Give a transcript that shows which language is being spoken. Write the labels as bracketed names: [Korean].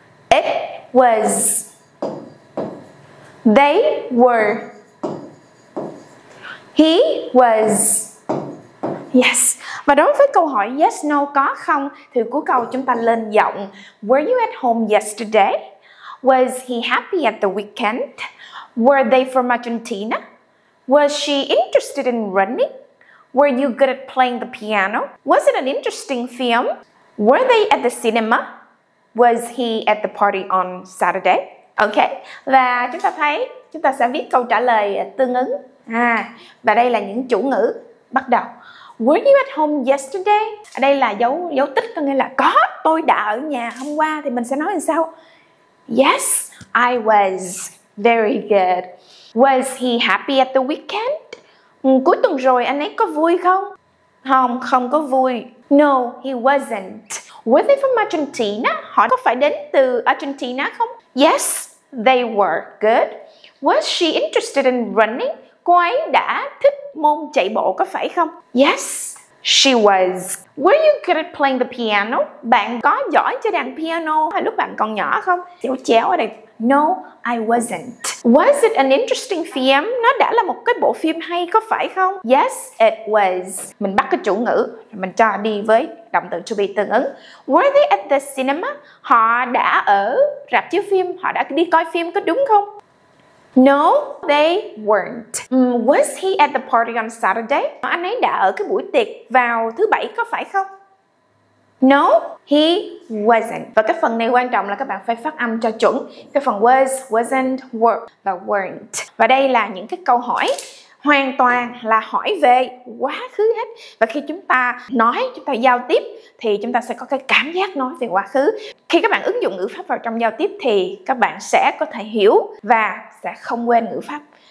[English] It was. They were. He was. Yes. [Vietnamese] Và đối với câu hỏi yes, no, có không, thì cuối câu chúng ta lên giọng. [English] Were you at home yesterday? Was he happy at the weekend? Were they from Argentina? Was she interested in running? Were you good at playing the piano? Was it an interesting film? Were they at the cinema? Was he at the party on Saturday? Okay. [Vietnamese] Và chúng ta thấy, chúng ta sẽ viết câu trả lời tương ứng. Và đây là những chủ ngữ bắt đầu. [English] Were you at home yesterday? [Vietnamese] Ở đây là dấu tích, có nghĩa là có, tôi đã ở nhà hôm qua, thì mình sẽ nói làm sao? [English] Yes, I was. Very good. Was he happy at the weekend? [Vietnamese] Cuối tuần rồi anh ấy có vui không? Không, không có vui. [English] No, he wasn't. Were they from Argentina? [Vietnamese] Họ có phải đến từ Argentina không? [English] Yes, they were. Good. Was she interested in running? [Vietnamese] Cô ấy đã thích môn chạy bộ có phải không? [English] Yes, she was. Were you good at playing the piano? [Vietnamese] Bạn có giỏi chơi đàn piano hay lúc bạn còn nhỏ không? Chéo chéo ở đây. [English] No, I wasn't. Was it an interesting film? [Vietnamese] Nó đã là một cái bộ phim hay có phải không? [English] Yes, it was. [Vietnamese] Mình bắt cái chủ ngữ, mình cho đi với động từ to be tương ứng. [English] Were they at the cinema? [Vietnamese] Họ đã ở rạp chiếu phim, họ đã đi coi phim có đúng không? [English] No, they weren't. Was he at the party on Saturday? [Vietnamese] Anh ấy đã ở cái buổi tiệc vào thứ bảy có phải không? [English] No, he wasn't. [Vietnamese] Và cái phần này quan trọng là các bạn phải phát âm cho chuẩn. Cái phần was, wasn't, were và weren't. Và đây là những cái câu hỏi hoàn toàn là hỏi về quá khứ hết. Và khi chúng ta nói, chúng ta giao tiếp thì chúng ta sẽ có cái cảm giác nói về quá khứ. Khi các bạn ứng dụng ngữ pháp vào trong giao tiếp thì các bạn sẽ có thể hiểu và sẽ không quên ngữ pháp.